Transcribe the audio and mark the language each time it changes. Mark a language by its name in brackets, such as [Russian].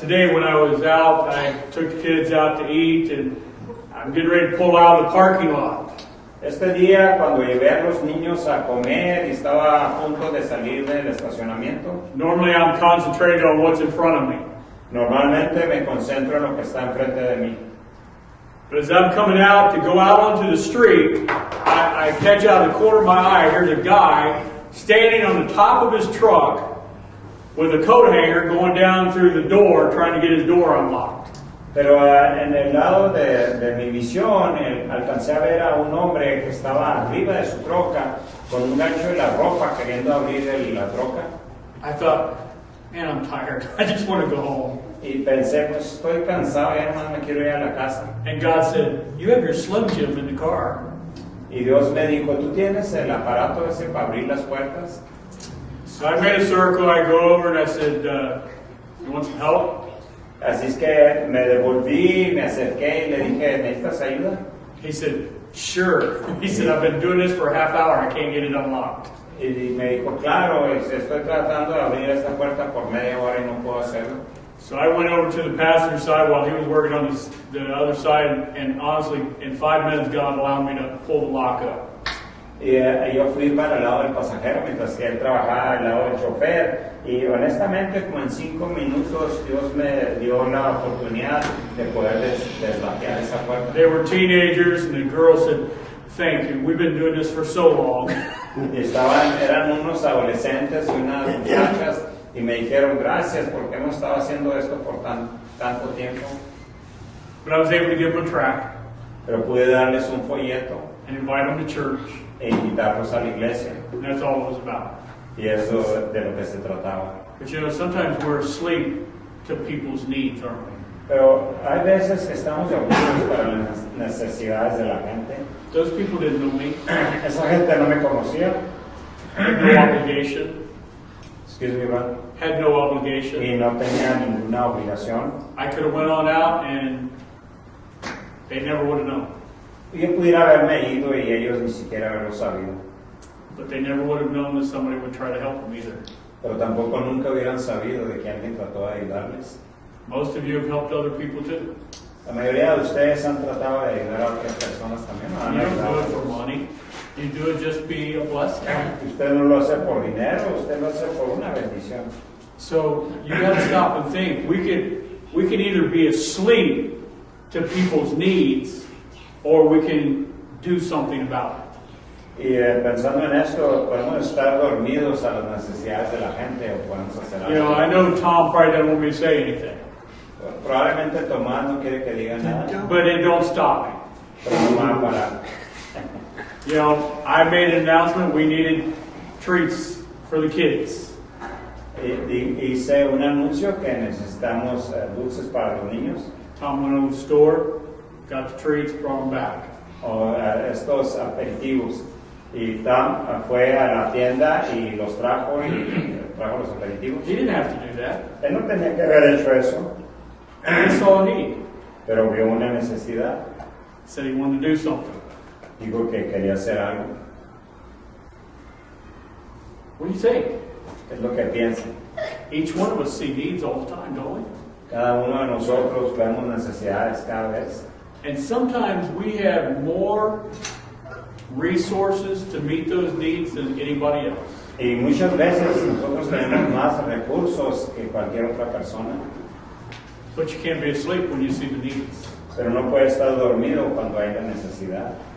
[English] Today when I was out, I took the kids out to eat and I'm getting ready to pull out of the parking lot. [Spanish] Este día, cuando llevé a los niños a comer y estaba a punto de salir del estacionamiento, [English] normally I'm concentrated on what's in front of me. [Spanish] Normalmente me concentro en lo que está enfrente de mí. [English] But as I'm coming out to go out onto the street, I catch out of the corner of my eye, here's a guy standing on the top of his truck with a coat hanger going down through the door trying to get his door unlocked. [Spanish] Pero en el lado de mi visión, alcancé a ver a un hombre que estaba arriba de su troca con un gancho en la ropa queriendo abrir la troca. [English] I thought, man, I'm tired. I just want to go home. [Spanish] Y pensé, pues estoy cansado, ya nomás me quiero ir a la casa. [English] And God said, you have your Slim Jim in the car. [Spanish] Y Dios me dijo, ¿tú tienes el aparato ese para abrir las puertas? [English] So I made a circle, I go over and I said, you want some help? [Spanish] Así es que me devolví, me acerqué y le dije, ¿necesitas ayuda? [English] He said, sure. He said, I've been doing this for a half hour. I can't get it unlocked. [Spanish] Y me dijo, claro, estoy tratando de abrir esta puerta por media hora y no puedo hacerlo. [English] So I went over to the passenger side while he was working on this, the other side, and honestly, in 5 minutes, God allowed me to pull the lock up. [Spanish] Yeah, yo fui para el lado del pasajero mientras que él trabajaba al lado del chofer, y honestamente, como en 5 minutos, Dios me dio la oportunidad de poder deslaquear esa puerta. [English] They were teenagers, and the girl said, thank you, we've been doing this for so long. [Spanish] Estaban, eran unos adolescentes y unas muchachas, y me dijeron gracias porque hemos estado haciendo esto por tanto tiempo. [English] But I was able to give them a track. [Spanish] Pero pude darles un folleto. [English] And invite them to church. [Spanish] E invitarlos a la iglesia. [English] And that's all it was about. [Spanish] Y eso de lo que se trataba. [English] But you know, sometimes we're asleep to people's needs, aren't we? [Spanish] Pero hay veces que estamos dormidos para las necesidades de la gente. [English] Those people didn't know me. [Spanish] Esa gente no me conocía. [English] Had no obligation. Excuse me, but had no obligation. [Spanish] Y no tenía ninguna obligación. [English] I could have went on out and they never would have known. [Spanish] Yo pudiera haberme ido y ellos ni siquiera haberlo sabido. [English] But they never would have known that somebody would try to help them either. [Spanish] Pero tampoco nunca hubieran sabido de que alguien trató de ayudarles. [English] Most of you have helped other people too. [Spanish] La mayoría de ustedes han tratado de ayudar a otras personas también. [English] You don't do it for money. You do it just be a blessing. [Spanish] Usted no lo hace por dinero. Usted lo hace por una bendición. [English] So you got to stop and think. We can either be asleep to people's needs, or we can do something about it. [Spanish] Y pensando en esto, podemos estar dormidos a las necesidades de la gente o podemos hacer algo. [English] You know, I know Tom probably doesn't want me to say anything. [Spanish] Probablemente Tomás no quiere que diga nada. [English] But it don't stop me. [Spanish] Pero no van a parar. [English] You know, I made an announcement. We needed treats for the kids. [Spanish] Hice un anuncio que necesitamos dulces para los niños. [English] Tom went to the store, got the treats, brought them back. [Spanish] Estos aperitivos. Y Tom fue a la tienda y los trajo y trajo los aperitivos. [English] He didn't have to do that. [Spanish] Él no tenía que haber hecho eso. [English] And he saw a need. [Spanish] Pero vio una necesidad. [English] Said he wanted to do something. [Spanish] Dijo que quería hacer algo. [English] What do you think? [Spanish] Es lo que piensa. [English] Each one of us see needs all the time, don't we? [Spanish] Cada uno de nosotros vemos necesidades cada vez. [English] And sometimes we have more resources to meet those needs than anybody else. [Spanish] Y muchas veces nosotros tenemos más recursos que cualquier otra persona. [English] But you can't be asleep when you see the needs. [Spanish] Pero no puede estar dormido cuando hay la necesidad.